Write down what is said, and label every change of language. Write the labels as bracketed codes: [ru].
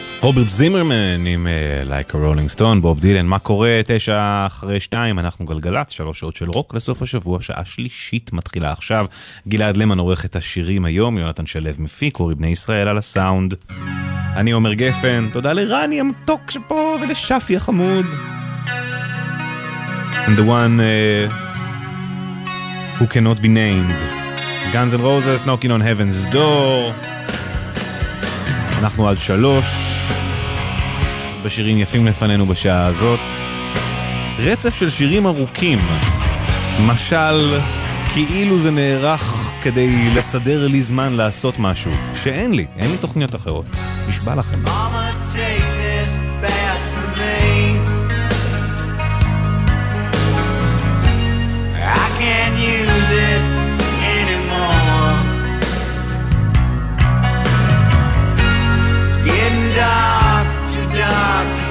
[he] רוברט זימרמן עם Like a Rolling Stone. בוב דילן, מה קורה? 9:09, אנחנו גלגלת, 3 שעות של רוק לסוף השבוע, שעה שלישית מתחילה עכשיו. גלעד למן עורך את השירים היום, יונתן שלב מפיק, קורי בני ישראל על הסאונד. אני עומר גפן, תודה לרני המתוק שפה ולשפי החמוד. [en] And the one who cannot be named. Guns and Roses, knocking on heaven's door. [he] אנחנו עד 3. בשירים יפים לפנינו בשעה הזאת. רצף של שירים ארוכים, משל כאילו זה נערך כדי לסדר לי זמן לעשות משהו שאין לי, אין לי תוכניות אחרות. נשבע לכם. [en] Mama, take this bath for me. I can't use it anymore. Getting dark, too dark.